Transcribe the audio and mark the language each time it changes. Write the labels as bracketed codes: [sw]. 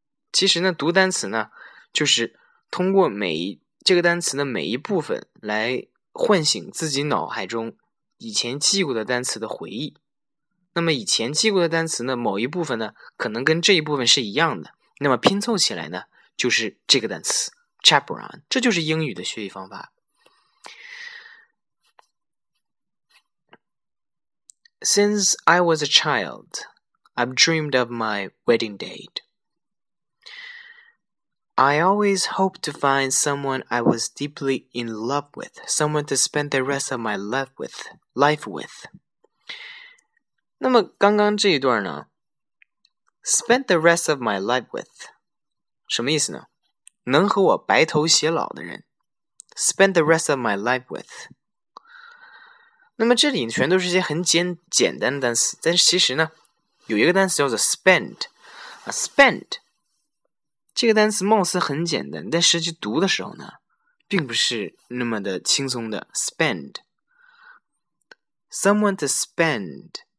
[zh] 其实呢读单词呢就是通过这个单词的每一部分来唤醒自己脑海中以前记过的单词的回忆。那么以前记过的单词呢，某一部分呢，可能跟这一部分是一样的。那么拼凑起来呢，就是这个单词 chaperone， 这就是英语的学习方法。 [en] Since I was a child, I've dreamed of my wedding date. I always hoped to find someone I was deeply in love with, someone to spend the rest of my life with. [zh] 那么刚刚这一段呢 , [en] spent the rest of my life with, [zh] 什么意思呢？能和我白头偕老的人 , [en] spent the rest of my life with。 [zh] 那么这里全都是些很简单的单词，但是其实呢有一个单词叫做 spend, 这个单词貌似很简单，但实际读的时候呢并不是那么的轻松的 spend, [en] someone to spend。